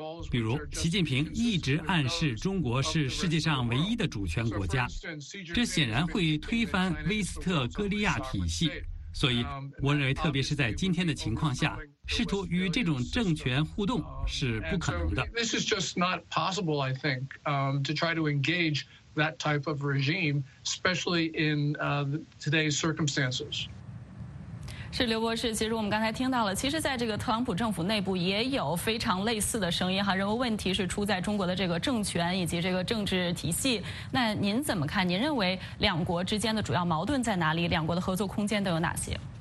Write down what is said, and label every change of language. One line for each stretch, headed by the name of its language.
Chinese: 比如，习近平一直暗示中国是世界上唯一的主权国家，这显然会推翻威斯特哥利亚体系。所以，我认为特别是在今天的情况下，试图与这种政权互动是不可能的。
English: This is just not possible, I think, to try to engage that type of regime, especially in today's circumstances.
Chinese: 是刘博士，其实我们刚才听到了，其实在这个特朗普政府内部也有非常类似的声音哈，认为问题是出在中国的这个政权以及这个政治体系。那您怎么看？您认为两国之间的主要矛盾在哪里？两国的合作空间都有哪些？